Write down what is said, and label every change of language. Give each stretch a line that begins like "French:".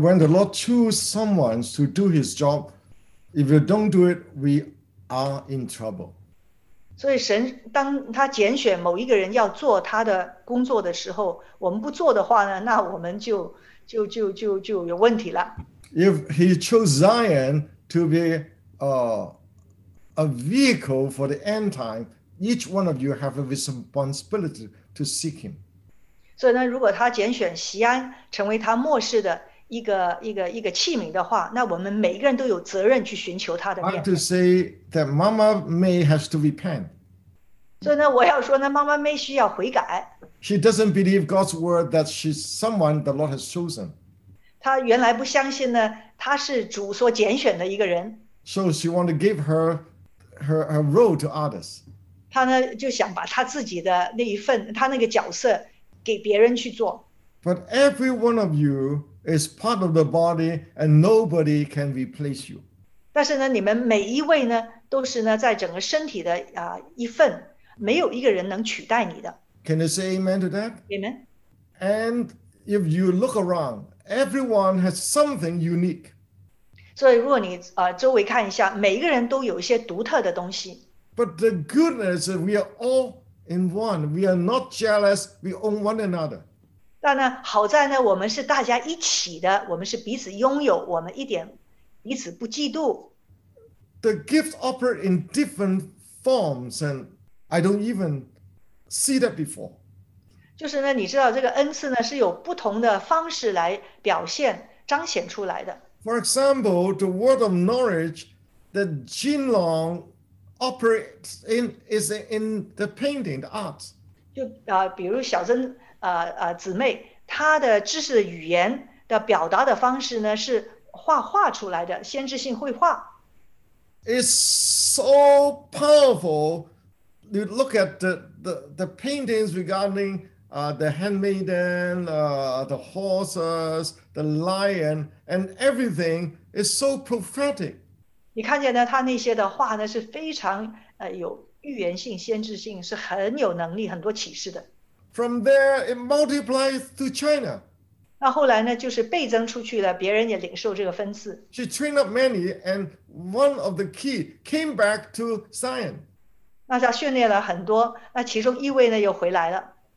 English: when the Lord chooses someone to do His job, if you don't do it, we are in trouble.
Chinese: 所以神当他拣选某一个人要做他的工作的时候，我们不做的话呢，那我们就有问题了。If
English: He chose Zion to be a vehicle for the end time, each one of you have a responsibility to seek him. So then, if he chooses Zion to be
Chinese: 一个器皿的话, 那我们每一个人都有责任去寻求他的面子。
English: I have to say that Mama May has to repent.
Chinese: 所以呢, 我要说呢, Mama May需要悔改。
English: She doesn't believe God's word that she's someone the Lord has chosen.
Chinese: 她原来不相信呢, 她是主所拣选的一个人。
English: So she wants to give her role to others.
Chinese: 她呢, 就想把她自己的那一份, 她那个角色, 给别人去做。
English: But every one of you is part of the body and nobody can replace you.
Chinese: 但是呢, 你们每一位呢, 都是呢, 在整个身体的, 啊, 一份, 没有一个人能取代你的。
English: Can you say amen to that? Amen. And if you look around, everyone has something unique.
Chinese: 所以如果你, 呃, 周围看一下, 每一个人都有一些独特的东西。
English: But the goodness is we are all in one. We are not jealous. We own one another.
Chinese: 但呢, 好在呢, 我们是大家一起的, 我们是彼此拥有, 我们一点, 彼此不嫉妒。
English: The gifts operate in different forms, and I don't even see that before.
Chinese: 就是呢, 你知道这个恩赐呢, 是有不同的方式来表现, 彰显出来的。
English: For example, the word of knowledge that Jin Long operates in is in the painting, the art.
Chinese: 就, 呃, 比如小珍, 呃, 呃, 姊妹, 她的知识语言的表达的方式呢, 是画画出来的, 先知性绘画。
English: It's so powerful. You look at the paintings regarding the handmaiden, the horses, the lion, and everything is so prophetic.
Chinese: 你看见呢, 他那些的话呢, 是非常, 呃, 有预言性, 先知性, 是很有能力, 很多启示的。
English: From there, it multiplies to China.
Chinese: 那后来呢, 就是倍增出去了, 别人也领受这个分赐。
English: She trained up many, and one of the key came back to Zion.
Chinese: 那他训练了很多, 那其中一位呢, 又回来了。